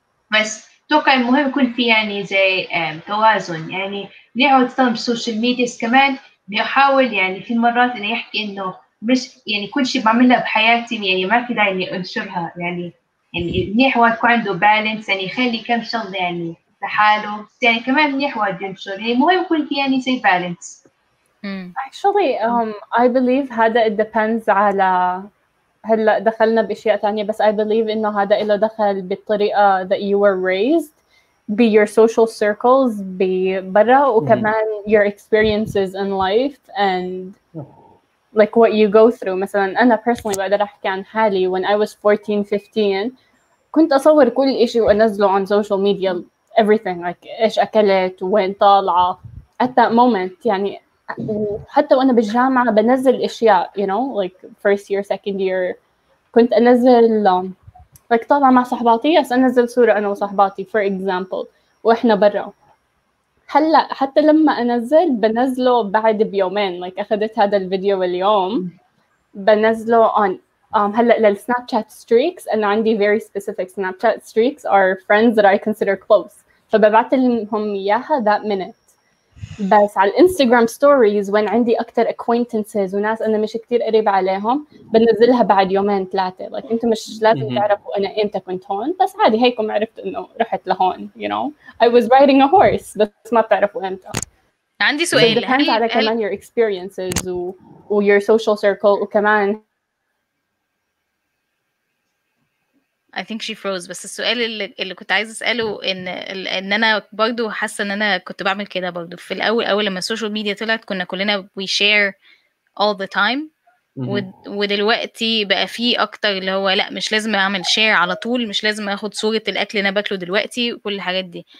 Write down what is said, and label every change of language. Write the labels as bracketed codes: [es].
[ar] بس توقع المهم يكون في يعني زي توازن، يعني نحاول نستخدم السوشيال ميديا، كمان نحاول يعني في مرات انه يحكي انه مش يعني كل شيء بعملها بحياتي يعني ما في داعي اني انشرها، يعني منيح واحد يكون عنده بالانس، يعني يخلي كم شغله يعني لحاله، يعني كمان منيح واحد ينشر، يعني مهم يكون في يعني زي بالانس. [en] Actually I believe هذا it depends [ar] على هلا دخلنا باشياء ثانيه، بس [en] I believe [ar] انه هذا له دخل بالطريقه [en] that you were raised be your social circles be برا، وكمان your experiences in life and like what you go through. [ar] مثلا انا personally بقدر احكي عن حالي، [en] when I was 14 15 [ar] كنت اصور كل شيء وانزله [en] on social media everything like [ar] ايش اكلت وين طالعه [en] at that moment، [ar] يعني حتى وانا بالجامعه بنزل اشياء [en] you know like first year second year [ar] كنت انزل like طالعه مع صحباتي بس انزل صوره انا وصحباتي for example واحنا برا. هلا حتى لما انزل بنزله بعد بيومين، لايك like اخذت هذا الفيديو اليوم بنزله اون هلا للسناب شات ستريكس، انا عندي very specific سناب شات ستريكس [en] are friends that I consider close، [ar] فببعت لهم اياها that minute. بس على الانستغرام ستوريز وين عندي اكثر acquaintances وناس انا مش كتير قريب عليهم بنزلها بعد يومين ثلاثه، لايك like انتم مش لازم تعرفوا انا امتى كنت هون، بس عادي هيكم عرفت انه رحت لهون [en] you know I was riding a horse، [ar] بس ما بتعرفوا امتى. عندي سؤال، [en] depends على كمان your experiences و your social circle، وكمان I think she froze. [ar] بس السؤال اللي كنت عايز أسأله إن أنا برضو حاسة إن أنا كنت بعمل كده برضو في الأول، أول لما السوشيال ميديا طلعت كنا كلنا [en] we share all the time [ar] ودلوقتي بقى فيه أكتر اللي هو لا مش لازم أعمل share على طول، مش لازم أخد صورة الأكل أنا بأكله دلوقتي وكل الحاجات دي.